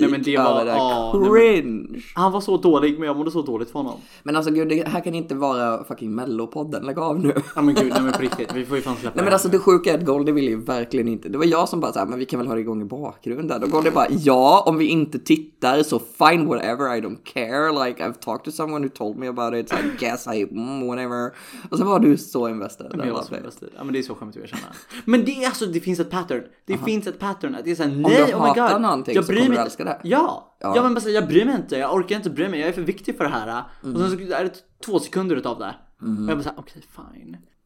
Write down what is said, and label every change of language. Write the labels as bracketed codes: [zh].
[sv] Nej, men det var det cringe. Han var så dålig, men jag mådde så dåligt för honom. Men alltså, gud, det här kan inte vara fucking Mellopodden. Lägg av nu. Ja, men gud, nej, men på riktigt, vi får ju fan släppa. Nej, men alltså, det sjuka är Goldie vill ju verkligen inte. Det var jag som bara såhär, men vi kan väl ha det igång i bakgrunden. Och Goldie bara, ja, om vi inte tittar, så [en] fine, whatever, I don't care. Like, I've talked to someone who told me about it, so I guess I, whatever. [sv] Och så var du så investerad. Men jag var så investerad. Ja, men det är så skämt att jag känner. Men det är alltså, det finns ett pattern. Det finns ett pattern att det är såhär, nej, om du hatar någonting så kommer du älska det. Ja, men bara, jag bryr mig inte, jag orkar inte bry mig. Jag är för viktig för det här. Och sen så är det 2 sekunder utav det. Och jag bara såhär, okej, fine.